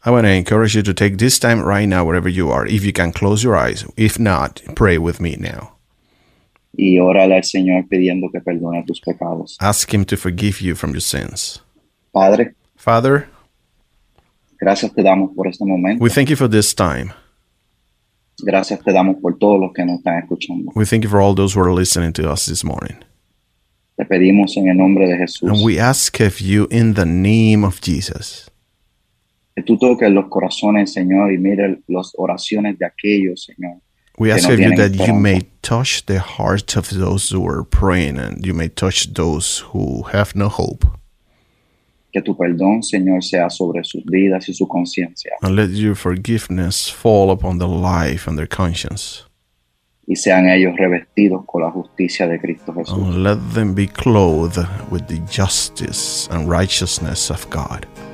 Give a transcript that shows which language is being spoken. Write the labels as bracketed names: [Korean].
[English] I want to encourage you to take this time right now wherever you are. If you can close your eyes. If not, pray with me now. [Spanish] y órale al Señor pidiendo que perdone tus pecados. [English] Ask him to forgive you from your sins. [Spanish] Padre. [English] Father. [Spanish] Gracias te damos por este momento. [English] We thank you for this time. [Spanish] Gracias te damos por todos los que nos están escuchando. [English] We thank you for all those who are listening to us this morning. [Spanish] Te pedimos en el nombre de Jesús. [English] And we ask of you in the name of Jesus. [Spanish] Que tú toques los corazones, Señor, y mire las oraciones de aquellos, Señor. [English] We ask of you that you may touch the hearts of those who are praying and you may touch those who have no hope. [Spanish] Que tu perdón, Señor, sea sobre sus vidas y su conciencia. [English] And let your forgiveness fall upon their life and their conscience. [Spanish] Y sean ellos revestidos con la justicia de Cristo Jesús. [English] And let them be clothed with the justice and righteousness of God.